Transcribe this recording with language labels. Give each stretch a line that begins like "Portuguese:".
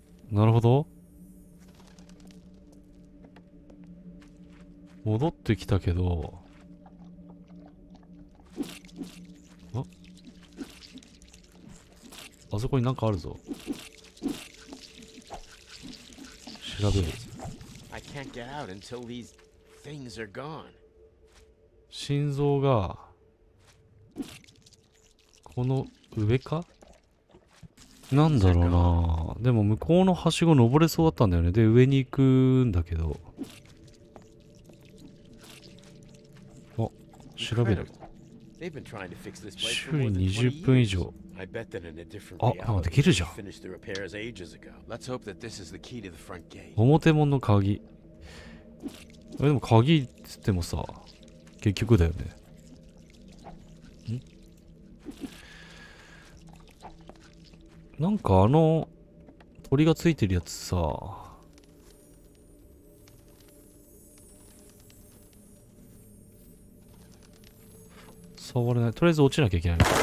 Japanese: なるほど。戻ってきたけど、あそこになんかあるぞ。調べる。
English: I can't get out until these things are gone.
Japanese: 心臓がこの上か？なんだろうな。でも向こうのはしご登れそうだったんだよね。で上に行くんだけど。あ、調べる。周囲20分以上。
English: I bet that in a different reality, they finished the repairs ages ago. Let's hope that this is the key to the front gate.
Japanese: 表門の鍵。でも鍵って言ってもさ、結局だよね。ん？なんかあの鳥がついてるやつさ、触れない。とりあえず落ちなきゃいけない。